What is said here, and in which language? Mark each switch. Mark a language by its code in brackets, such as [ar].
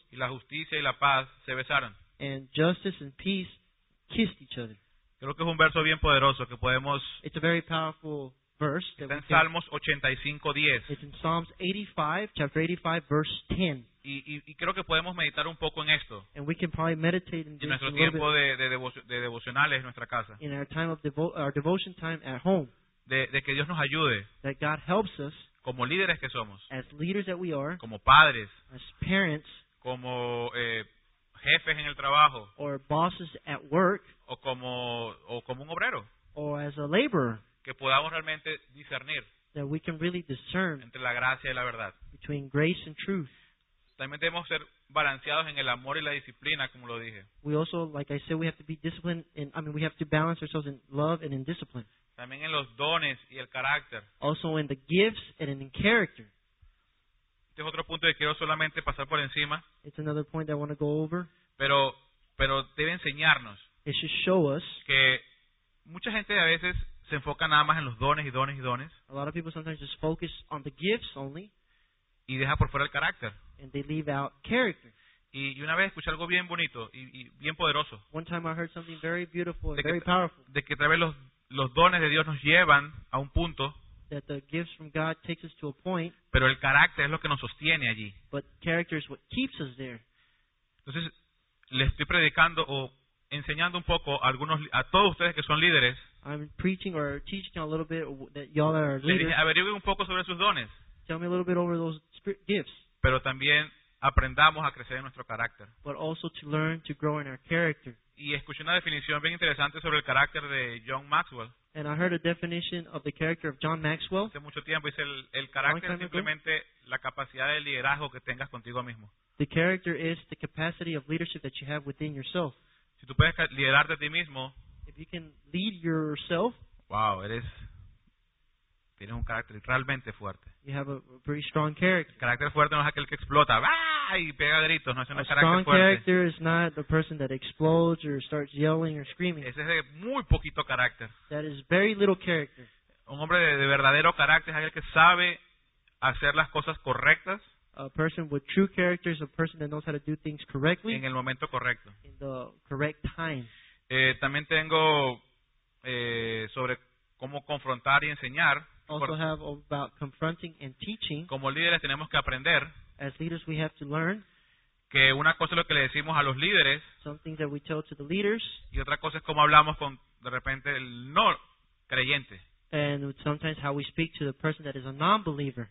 [es] Y la justicia y la paz se besaron. [en] And justice and peace kissed each other. [es] Creo que es un verso bien poderoso que podemos... [en] It's a very powerful verse. [es] Está en Salmos 85:10. [en] It's in Psalms 85, chapter 85, verse 10. [es] Y creo que podemos meditar un poco en esto. [en] And we can probably meditate in this [es] en nuestro tiempo de devocionales en nuestra casa. [en] In our time of our devotion time at home. [es] De que Dios nos ayude. [en] That God helps us. [es] Como líderes que somos, [en] as leaders that we are, [es] como padres, [en] as parents, [es] como jefes en el trabajo, [en] or bosses at work, [es] o como un obrero, [en] or as a laborer, [es] que podamos realmente discernir, [en] that we can really discern, [es] entre la gracia y la verdad, [en] between grace and truth. [es] También debemos ser balanceados en el amor y la disciplina, como lo dije. [en] We also, like I said, we have to be disciplined, and I mean, we have to balance ourselves in love and in discipline. [es] También en los dones y el carácter. [en] Also in the gifts and in character. [es] Este es otro punto que quiero solamente pasar por encima. [en] It's another point that I want to go over. [es] Pero debe enseñarnos. [en] It should show us. [es] Que mucha gente a veces se enfoca nada más en los dones y dones y dones. [en] A lot of people sometimes just focus on the gifts only. [es] Y deja por fuera el carácter. [en] And they leave out character. [es] Y una vez escuché algo bien bonito y bien poderoso. [en] One time I heard something very beautiful and very powerful. [es] De que a través los dones de Dios nos llevan a un punto, [en] that the gifts from God takes us to a point, [es] pero el carácter es lo que nos sostiene allí. [en] But character is what keeps us there. [es] Entonces, le estoy predicando o enseñando un poco a todos ustedes que son líderes. [en] I'm preaching or teaching a little bit that y'all are leaders. [es] Averigüen un poco sobre sus dones. [en] Tell me a little bit over those gifts. [es] Pero también aprendamos a crecer en nuestro carácter. [en] But also to learn to grow in our character. [es] Y escuché una definición bien interesante sobre el carácter de John Maxwell. [en] And I heard a definition of the character of John Maxwell. [es] Hace mucho tiempo, dice, el carácter es simplemente la capacidad de liderazgo que tengas contigo mismo. [en] The character is the capacity of leadership that you have within yourself. [es] Si tú puedes liderarte a ti mismo, [en] if you can lead yourself, [es] wow, eres... Tienes un carácter realmente fuerte. [en] You have a pretty strong character. [es] El carácter fuerte no es aquel que explota, ¡ah!, y pega gritos. No es un carácter fuerte. [en] A strong character is not the person that explodes or starts yelling or screaming. [es] Ese es de muy poquito carácter. [en] That is very little character. [es] Un hombre de verdadero carácter es aquel que sabe hacer las cosas correctas. [en] A person with true character is a person that knows how to do things correctly. [es] En el momento correcto. [en] In the correct time. [es] También tengo sobre cómo confrontar y enseñar. [en] Also have about confronting and teaching. [es] Como líderes tenemos que aprender. [en] As leaders we have to learn. [es] Que una cosa es lo que le decimos a los líderes. [en] Some things that we tell to the leaders. [es] Y otra cosa es cómo hablamos con de repente el no creyente. [en] And sometimes how we speak to the person that is a non-believer.